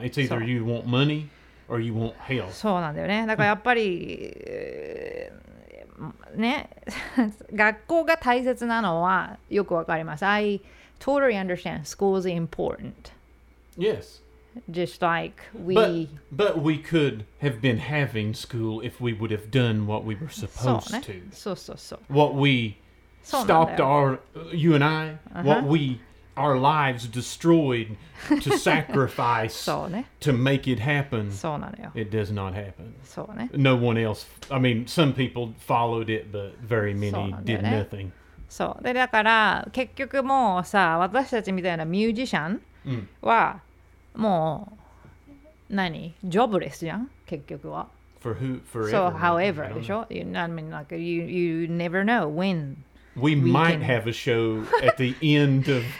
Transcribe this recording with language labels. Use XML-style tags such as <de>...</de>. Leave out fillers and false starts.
<en>It's either you want money or you want health.</en> <ja>そうなんだよね。だからやっぱり、ね、学校が大切なのはよくわかります。</ja> <en>I totally understand school is important. Yes. Just like we... But we could have been having school if we would have done what we were supposed</en> <ja>そう、ね、</ja> <en>to.</en> <ja>そうそうそう。</ja> <en>What we stopped our... You and I? Uh-huh. What we... Our lives destroyed to sacrifice</en> <ja>そう、ね、</ja> <en>to make it happen.</en> <ja>そうなのよ。</ja> <en>It does not happen.</en> <ja>そうね。</ja> <en>No one else... I mean, some people followed it, but very many</en> <ja>そうなんだよね。</ja> <en>did nothing.</en> <ja>そう。で、だから、結局もうさ、私たちみたいなミュージシャンは、うん、もう、何ジョブレスじゃん、結局は。</ja> <en>For who? Forever. So, however, でしょ you, I mean, like, you never know when... We might have a show at the end of,</en>